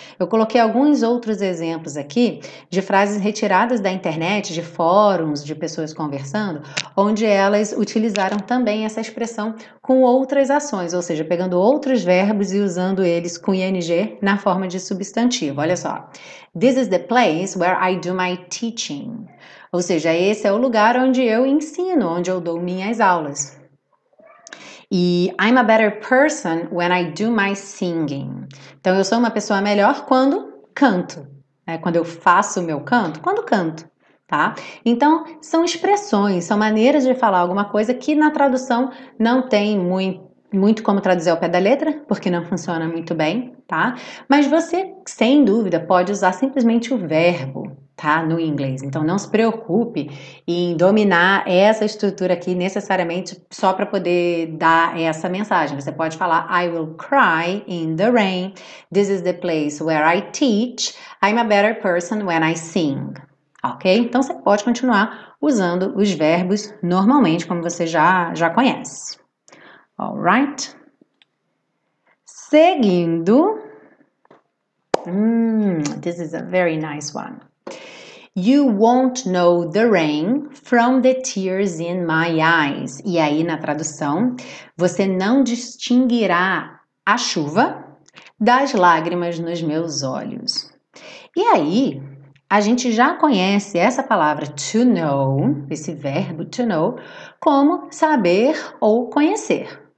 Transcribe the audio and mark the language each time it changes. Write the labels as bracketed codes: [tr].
[pt] Eu coloquei alguns outros exemplos aqui de frases retiradas da internet, de fóruns, de pessoas conversando, onde elas utilizaram também essa expressão com outras ações, ou seja, pegando outros verbos e usando eles com ing na forma de substantivo. Olha só. [en] This is the place where I do my teaching. [pt] Ou seja, esse é o lugar onde eu ensino, onde eu dou minhas aulas. [en] E I'm a better person when I do my singing. [pt] Então, eu sou uma pessoa melhor quando canto, né? Quando eu faço o meu canto, quando canto, tá? Então, são expressões, são maneiras de falar alguma coisa que na tradução não tem muito como traduzir ao pé da letra, porque não funciona muito bem, tá? Mas você, sem dúvida, pode usar simplesmente o verbo, tá? No inglês. Então, não se preocupe em dominar essa estrutura aqui necessariamente só para poder dar essa mensagem. Você pode falar: [en] I will cry in the rain. This is the place where I teach. I'm a better person when I sing. Ok? [pt] Então, você pode continuar usando os verbos normalmente, como você já conhece. [en] All right. [pt] Seguindo. [en] This is a very nice one. You won't know the rain from the tears in my eyes. [pt] E aí, na tradução, você não distinguirá a chuva das lágrimas nos meus olhos. E aí, a gente já conhece essa palavra to know, esse verbo to know, como saber ou conhecer.